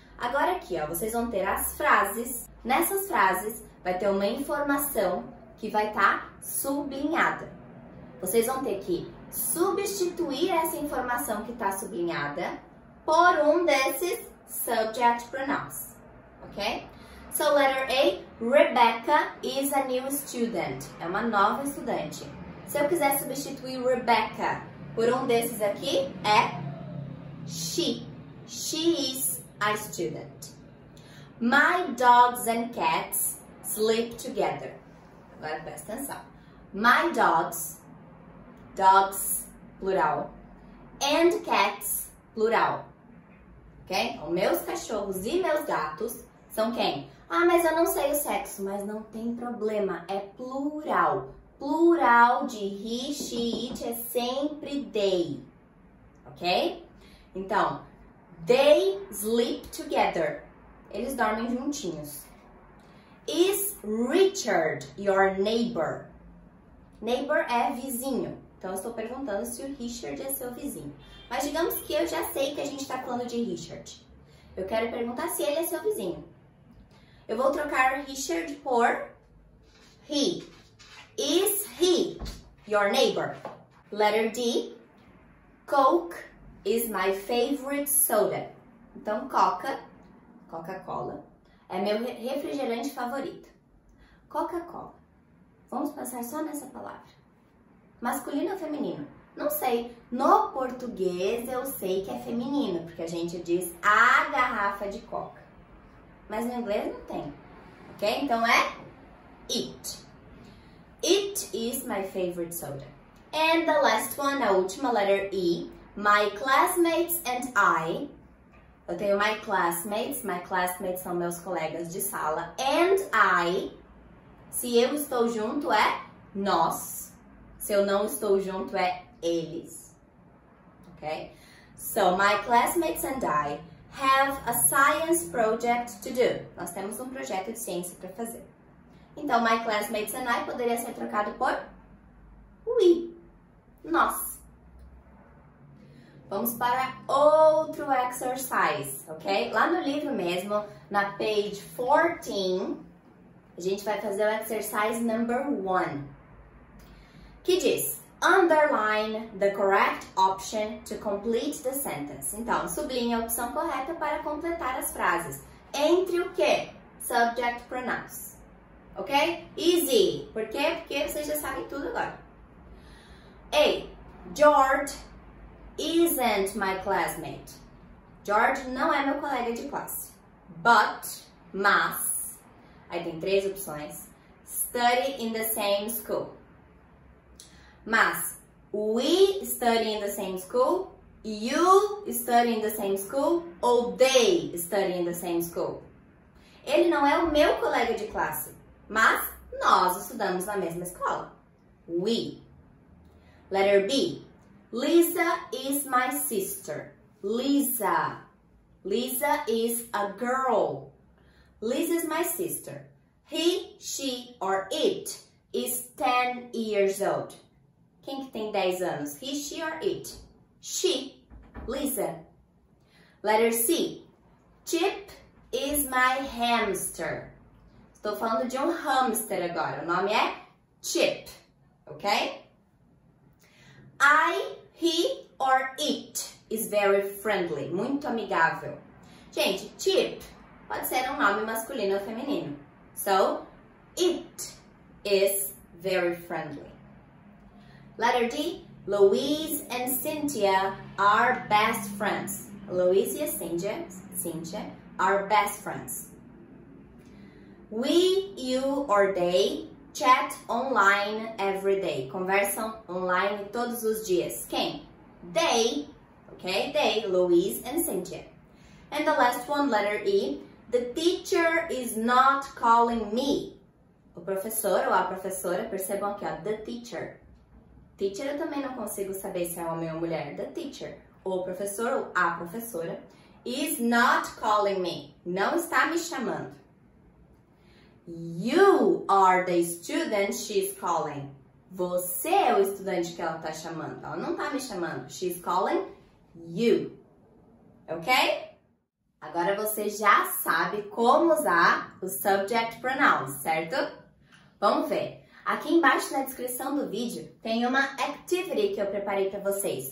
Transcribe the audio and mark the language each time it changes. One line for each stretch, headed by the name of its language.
Portuguese: Agora aqui, ó, vocês vão ter as frases. Nessas frases, vai ter uma informação que vai estar sublinhada. Vocês vão ter que substituir essa informação que está sublinhada por um desses subject pronouns, ok?
English: So, letter A, Rebecca is a new student.
Portuguese: É uma nova estudante. Se eu quiser substituir Rebecca por um desses aqui, é she.
English: She is a student. My dogs and cats sleep together.
Portuguese: Agora presta atenção.
English: My dogs, plural, and cats, plural. Ok?
Portuguese: Então, meus cachorros e meus gatos são quem? Ah, mas eu não sei o sexo. Mas não tem problema, é plural. Plural de he, she, it é sempre they. Ok?
English: Então, they sleep together.
Portuguese: Eles dormem juntinhos.
English: Is Richard your neighbor?
Portuguese: Neighbor é vizinho. Então, eu estou perguntando se o Richard é seu vizinho. Mas digamos que eu já sei que a gente está falando de Richard. Eu quero perguntar se ele é seu vizinho. Eu vou trocar Richard por he.
English: Is he your neighbor? Letter D. Coke is my favorite soda.
Portuguese: Então, Coca-Cola, é meu refrigerante favorito. Coca-Cola. Vamos pensar só nessa palavra. Masculino ou feminino? Não sei. No português, eu sei que é feminino, porque a gente diz a garrafa de Coca. Mas no inglês, não tem. Ok? Então, é it.
English: It is my favorite soda. And the last one,
Portuguese: a última
English: letter E. My classmates and I.
Portuguese: Eu tenho
English: my classmates
Portuguese: são meus colegas de sala. And I, se eu estou junto é nós. Se eu não estou junto é eles. Ok?
English: So, my classmates and I have a science project to do.
Portuguese: Nós temos um projeto de ciência para fazer. Então,
English: my classmates and I
Portuguese: poderia ser trocado por we, nós. Vamos para outro exercise, ok? Lá no livro mesmo, na page 14, a gente vai fazer o exercise number 1. Que diz,
English: underline the correct option to complete the sentence.
Portuguese: Então, sublinhe a opção correta para completar as frases. Entre o quê?
English: Subject pronouns.
Portuguese: Ok? Easy. Por quê? Porque vocês já sabem tudo agora. A.
English: George isn't my classmate.
Portuguese: George não é meu colega de classe.
English: But,
Portuguese: mas, aí tem três opções,
English: study in the same school. Mas, we study in the same school, you study in the same school, ou they study in the same school.
Portuguese: Ele não é o meu colega de classe. Mas nós estudamos na mesma escola.
English: We. Letter B. Lisa is my sister. Lisa. Lisa is a girl. Lisa is my sister. He, she, or it is 10 years old.
Portuguese: Quem que tem 10 anos?
English: He, she, or it? She. Lisa. Letter C. Chip is my hamster.
Portuguese: Estou falando de um hamster agora. O nome é Chip, ok?
English: I, he or it is very friendly,
Portuguese: muito amigável. Gente, Chip pode ser um nome masculino ou feminino.
English: So, it is very friendly. Letter D, Louise and Cynthia are best friends. Louise e Cynthia are best friends. We, you, or they chat online every day.
Portuguese: Conversam online todos os dias. Quem?
English: They, Okay, they, Louise and Cynthia. And the last one, letter E. The teacher is not calling me.
Portuguese: O professor ou a professora, percebam aqui, ó,
English: the teacher.
Portuguese: Teacher, eu também não consigo saber se é homem ou mulher.
English: The teacher.
Portuguese: O professor ou a professora
English: is not calling me.
Portuguese: Não está me chamando.
English: You are the student she's calling.
Portuguese: Você é o estudante que ela está chamando. Ela não está me chamando.
English: She's calling you. Ok?
Portuguese: Agora você já sabe como usar o subject pronoun, certo? Vamos ver. Aqui embaixo na descrição do vídeo tem uma activity que eu preparei para vocês.